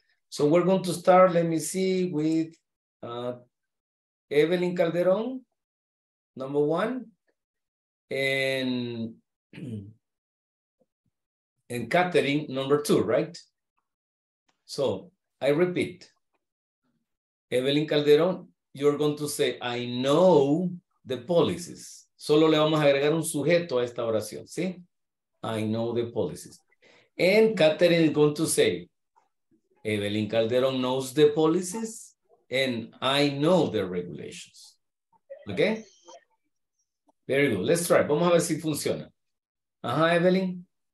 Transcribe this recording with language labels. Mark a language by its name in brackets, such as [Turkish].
[English] So we're going to start, let me see, with Evelyn Calderon, number one, and Catherine, number two, right? So I repeat, Evelyn Calderon, you're going to say, I know the policies. [Spanish] Solo le vamos a agregar un sujeto a esta oración, ¿sí? [English] I know the policies. And Catherine is going to say, Evelyn Calderon knows the policies and I know the regulations. Okay? Very good. Let's try. [Spanish] Vamos a ver si funciona. [English] Ajá, Evelyn.